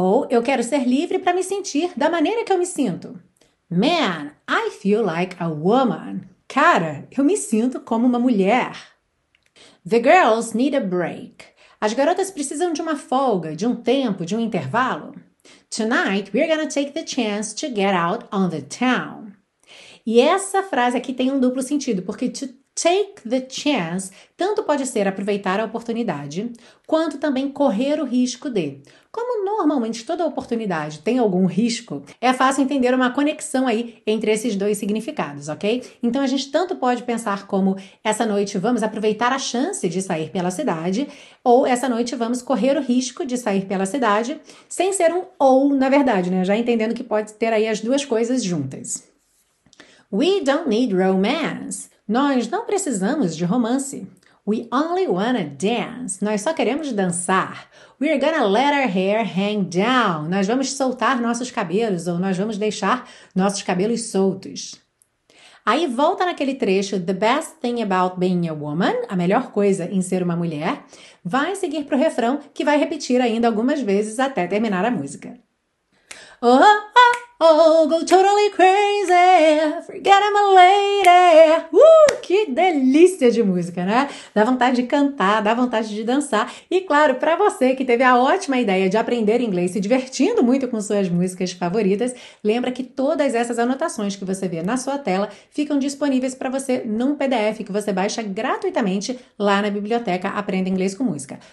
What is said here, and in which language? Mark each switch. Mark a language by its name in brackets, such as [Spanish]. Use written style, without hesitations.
[Portuguese] Eu quero ser livre para me sentir da maneira que eu me sinto. [English] Man, I feel like a woman. [Portuguese] Cara, eu me sinto como uma mulher. [English] The girls need a break. [Portuguese] As garotas precisam de uma folga, de um tempo, de um intervalo. [English] Tonight we're gonna take the chance to get out on the town. [Portuguese] E essa frase aqui tem um duplo sentido, porque [English] to take the chance [Portuguese] tanto pode ser aproveitar a oportunidade, quanto também correr o risco de. Como normalmente toda oportunidade tem algum risco, é fácil entender uma conexão aí entre esses dois significados, ok? Então a gente tanto pode pensar como essa noite vamos aproveitar a chance de sair pela cidade, ou essa noite vamos correr o risco de sair pela cidade, sem ser um ou, na verdade, né? Já entendendo que pode ter aí as duas coisas juntas. [English] We don't need romance. [Portuguese] Nós não precisamos de romance. [English] We only wanna dance. [Portuguese] Nós só queremos dançar. [English] We're gonna let our hair hang down. [Portuguese] Nós vamos soltar nossos cabelos ou nós vamos deixar nossos cabelos soltos. Aí volta naquele trecho, [English] the best thing about being a woman, [Portuguese] a melhor coisa em ser uma mulher, vai seguir pro refrão que vai repetir ainda algumas vezes até terminar a música. [English] Go totally crazy, forget I'm a lady. [Portuguese] Que delícia de música, né? Dá vontade de cantar, dá vontade de dançar. E claro, para você que teve a ótima ideia de aprender inglês se divertindo muito com suas músicas favoritas, lembra que todas essas anotações que você vê na sua tela ficam disponíveis para você num PDF que você baixa gratuitamente lá na biblioteca Aprenda Inglês com Música.